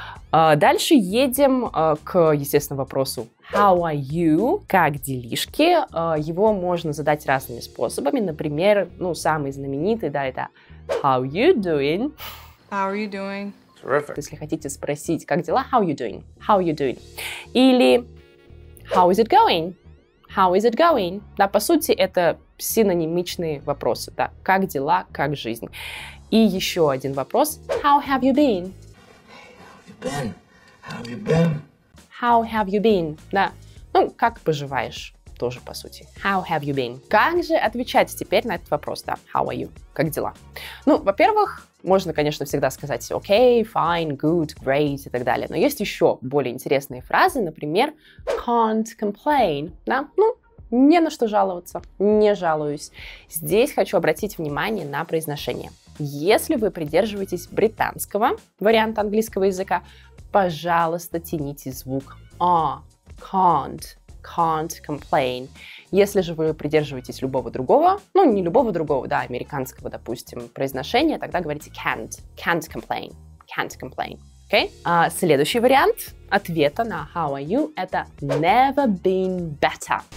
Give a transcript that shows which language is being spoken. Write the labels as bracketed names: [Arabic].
[Russian] Дальше едем к, естественно, вопросу [English] how are you, [Russian] как делишки. Его можно задать разными способами. Например, самый знаменитый, это [English] how you doing? How are you doing? Terrific. [Russian] Если хотите спросить, как дела, [English] how you doing? How you doing? [Russian] Или [English] how is it going? How is it going? [Russian] Да, по сути, это синонимичные вопросы. Да, как дела, как жизнь. И еще один вопрос. [English] How have you been? How have you been? [Russian] Да, как поживаешь, тоже по сути. [English] How have you been? [Russian] Как же отвечать теперь на этот вопрос, [English] How are you? [Russian] Как дела? Во-первых, можно, конечно, всегда сказать [English] okay, fine, good, great [Russian] и так далее. Но есть еще более интересные фразы, например, [English] can't complain. [Russian] Да? Не на что жаловаться, не жалуюсь. Здесь хочу обратить внимание на произношение. Если вы придерживаетесь британского варианта английского языка, пожалуйста, тяните звук а, can't. [English] Can't complain. [Russian] Если же вы придерживаетесь любого другого, не любого другого, американского, допустим, произношения, тогда говорите can't. [English] Can't complain. Can't complain. Okay? [Russian] Следующий вариант ответа на [English] how are you [Russian] это [English] never been better.